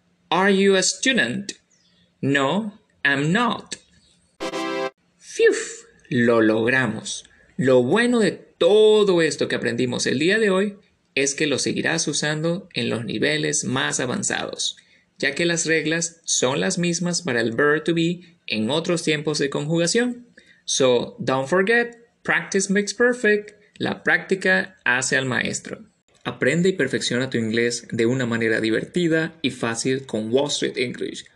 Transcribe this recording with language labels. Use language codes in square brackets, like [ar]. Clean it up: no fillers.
[en] Are you a student? No, I'm not. ¡Fiuf! [es] Lo logramos. Lo bueno de todo esto que aprendimos el día de hoy es que lo seguirás usando en los niveles más avanzados, ya que las reglas son las mismas para el verb to be en otros tiempos de conjugación. [en] So, don't forget, practice makes perfect. [es] La práctica hace al maestro. Aprende y perfecciona tu inglés de una manera divertida y fácil con Wall Street English.